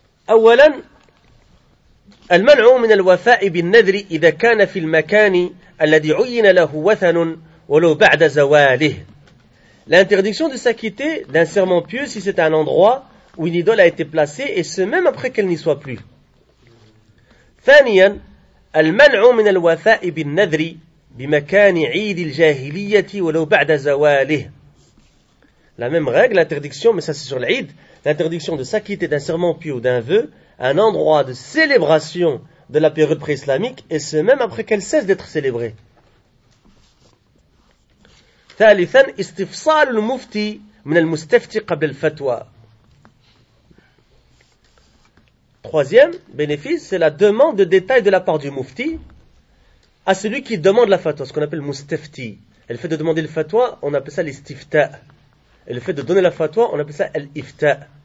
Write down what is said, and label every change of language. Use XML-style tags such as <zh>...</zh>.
<ar>اولا المنع من الوفاء بالنذر اذا كان في المكان الذي عين له وثن ولو بعد زواله</ar> <fr>l'interdiction de s'acquitter d'un serment pieux si c'est un endroit où une idole a été placée et ce même après qu'elle n'y soit plus</fr> <ar>ثانيا المنع من الوفاء بالنذر بمكان عيد الجاهلية ولو بعد زواله.</ar> <fr>La même règle, l'interdiction, mais ça c'est sur l'Eid, l'interdiction de s'acquitter d'un serment pieux ou d'un vœu, un endroit de célébration de la période pré-islamique, et ce même après qu'elle cesse d'être célébrée.</fr> <ar>ثالثا استفصال المفتي من المستفتي قبل الفتوى.</ar> <fr>Troisième bénéfice, c'est la demande de détails de la part du mufti à celui qui demande la fatwa, ce qu'on appelle mustafti. Et le fait de demander le fatwa, on appelle ça l'istifta. Et le fait de donner la fatwa, on appelle ça l'ifta.</fr>